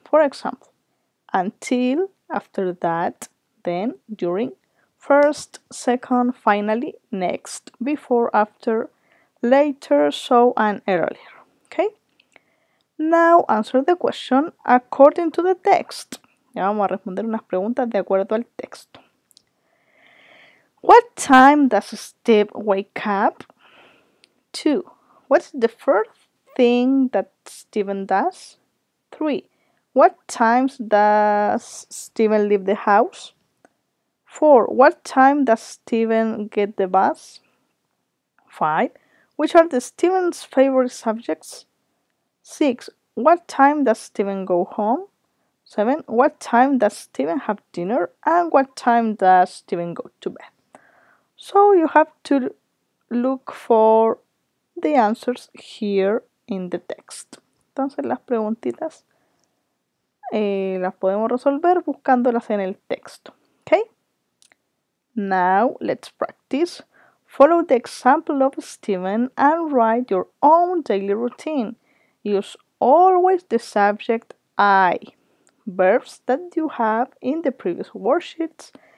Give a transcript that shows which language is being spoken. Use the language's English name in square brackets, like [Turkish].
[English] For example, until, after that, then, during, first, second, finally, next, before, after, later, so, and earlier. Okay? Now, answer the question according to the text. [Spanish] Ya vamos a responder unas preguntas de acuerdo al texto. [English] What time does Steve wake up? 2. What's the first thing that Steven does? 3. What time does Steven leave the house? 4. What time does Steven get the bus? 5. Which are the Steven's favorite subjects? 6. What time does Steven go home? 7. What time does Steven have dinner? And what time does Steven go to bed? So you have to look for the answers here in the text. [Spanish] Entonces las preguntitas las podemos resolver buscándolas en el texto. [English] Okay? Now let's practice. Follow the example of Steven and write your own daily routine. Use always the subject I. Verbs that you have in the previous worksheets.